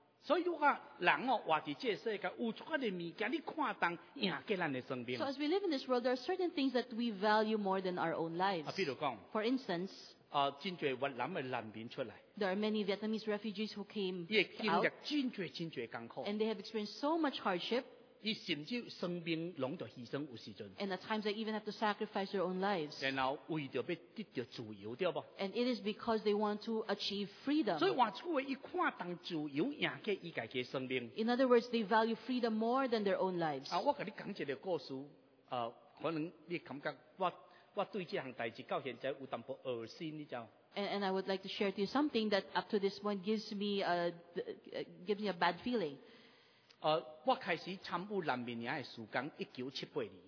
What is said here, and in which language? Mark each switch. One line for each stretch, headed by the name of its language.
English: So as we live in this world, there are certain things that we value more than our own lives. For instance, there are many Vietnamese refugees who came out, and they have experienced so much hardship.
Min Nan Chinese: 伊甚至生命拢着牺牲，有时阵。
English: And at times they even have to sacrifice their own lives.
Min Nan Chinese: 然后为着要得着自由，对不
English: ？And it is because they want to achieve freedom.
Min Nan Chinese: 所以换句话，伊看重自由，赢过伊家己的生命。
English: In other words, they value freedom more than their own lives.
Min Nan Chinese: 啊，我甲你讲一个故事，可能你感觉我对这项代志到现在有淡薄恶心，你知道？
English: And I would like to share to you something that up to this point gives me a bad feeling.
Min Nan Chinese: 我开始参与难民营的事工，1978年。